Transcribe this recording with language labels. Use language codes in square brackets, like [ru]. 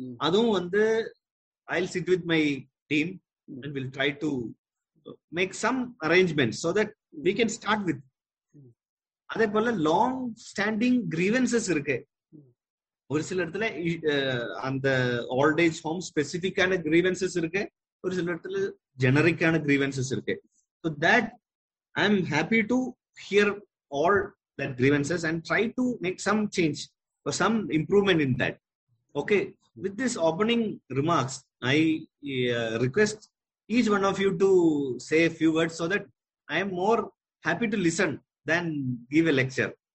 [ta] Adhum vandu [en] I'll sit with my team and we'll try to make some arrangements so that we can start with. [ta] Adhe pole [en] long standing grievances [ta] irukke ஒரு சில இடத்துல, அந்த old age home ஸ்பெசிபிக்கான grievances இருக்கு, ஒரு சில இடத்துல ஜெனரிக்கான grievances இருக்கு. [en] So that I am happy to hear all that grievances and try to make some change or some improvement in that. Okay, with this opening remarks, I request each one of you to say a few words so that I am more happy to listen than give a lecture.